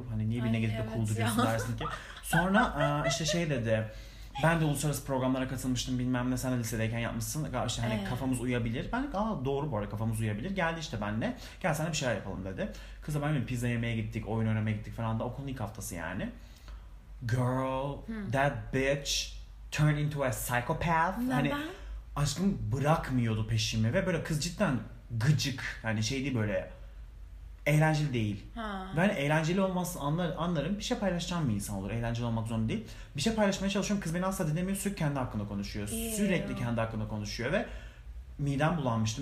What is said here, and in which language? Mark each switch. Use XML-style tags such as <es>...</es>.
<tr>Hani niye birine gidip de cool duruyorsun dersin ki. Sonra işte şey dedi. Ben de uluslararası programlara katılmıştım bilmem ne. Sen de lisedeyken yapmışsın. İşte hani kafamız uyabilir. Ben de aa doğru bu arada kafamız uyabilir. Geldi işte benimle. Gel sana bir şeyler yapalım dedi. Kızla benimle pizza yemeye gittik, oyun oynamaya gittik falan da. Okulun ilk haftası yani.</tr> <en>Girl, that bitch turned into a psychopath.</en> <tr>Neden? Hani aşkım bırakmıyordu peşimi. Ve böyle kız cidden gıcık. Hani şey değil böyle. Eğlenceli değil. Ha. Ben eğlenceli olmasını anlarım. Bir şey paylaşacağım bir insan olur. Eğlenceli olmak zorunda değil. Bir şey paylaşmaya çalışıyorum. Kız beni asla dinlemiyor. Sürekli kendi hakkında konuşuyor. Sürekli kendi hakkında konuşuyor. Ve midem bulanmıştı.</tr>